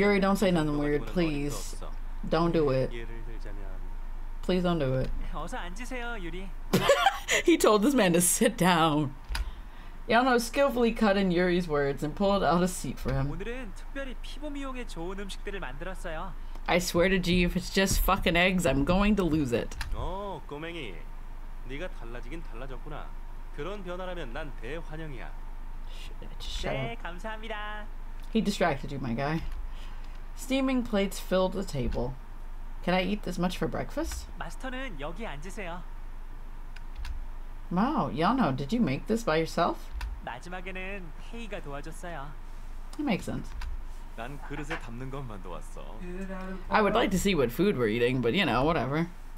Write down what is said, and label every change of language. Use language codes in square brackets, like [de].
[en] Yuri, don't say nothing weird, please. Don't do it. [ko] 예를 들자면 [en] Please don't do it. [ko] 어서 앉으세요, 유리. [en] He told this man to sit down. Yeonho skillfully cut in Yuri's words and pulled out a seat for him. [ko] 오늘은 특별히 피부 미용에 좋은 음식들을 만들었어요. [en] I swear to G, if it's just fucking eggs, I'm going to lose it. [ko] 어, 꼬맹이. 네가 달라지긴 달라졌구나. 그런 변화라면 난 대환영이야. [en] Shut up. [ko] 네, 감사합니다. [en] He distracted you, my guy. Steaming plates filled the table. Can I eat this much for breakfast? [ko] 마스터는 여기 앉으세요. [en] Wow, Yeonho, did you make this by yourself? [ko] 마지막에는 헤이가 도와줬어요. [en] It makes sense. [ko] 난 그릇에 담는 것만 도왔어. [en] I would like to see what food we're eating, but you know, whatever.